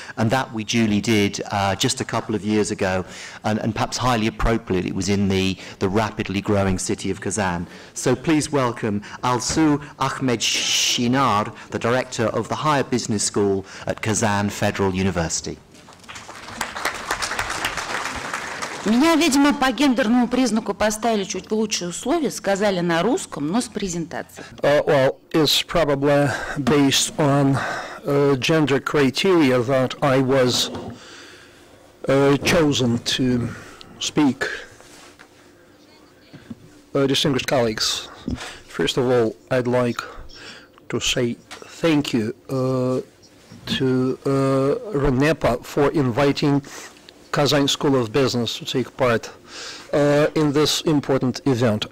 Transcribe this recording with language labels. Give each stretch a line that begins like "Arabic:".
English: And that we duly did just a couple of years ago, and perhaps highly appropriately, it was in the rapidly growing city of Kazan. So please welcome Alsu Akhmetshina, the director of the Higher Business School at Kazan Federal University.
Russian: Меня, видимо, по гендерному признаку поставили чуть в лучшие условия, сказали на русском, но с презентацией.
English: Well, it's probably based on gender criteria that I was chosen to speak. Distinguished colleagues, first of all, I'd like to say thank you to RANEPA for inviting Kazan School of Business to take part in this important event.